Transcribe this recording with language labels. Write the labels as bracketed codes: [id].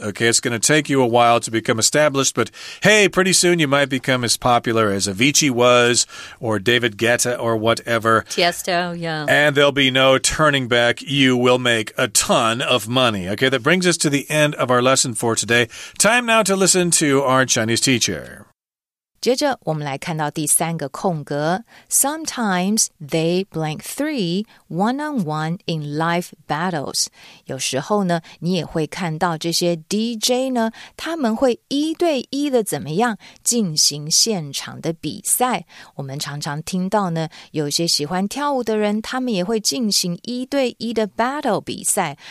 [en] Okay, it's going to take you a while to become established. But hey, pretty soon you might become as popular as Avicii was or David Guetta or whatever. Tiesto, yeah. And there'll be no turning back. You will make a ton of money. Okay, that brings us to the end of our lesson for today. Time now to listen to our Chinese teacher. [zh] 接着我们来看到第三个空格。 [en] Sometimes they blank three one-on-one in live battles. [zh] 有时候呢你也会看到这些 DJ 呢他们会一对一的怎么样进行现场的比赛。我们常常听到呢有些喜欢跳舞的人他们也会进行一对一的 battle 比赛。